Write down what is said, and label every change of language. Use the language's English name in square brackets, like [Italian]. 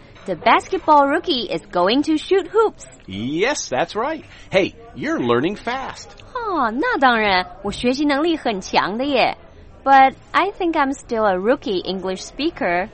[English] The basketball rookie is going to shoot hoops. Yes, that's right. Hey, you're learning fast. [Chinese] 哦，那当然，我学习能力很强的耶。 [English] But I think I'm still a rookie English speaker.